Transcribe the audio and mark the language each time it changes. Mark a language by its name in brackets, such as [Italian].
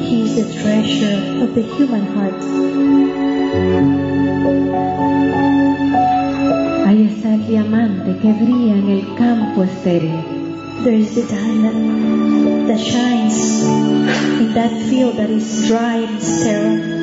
[English] He is the treasure of the human heart. [Spanish] Ahí está el diamante que brilla en el campo estéril. [English] There is the diamond that shines in that field that is dry and sterile.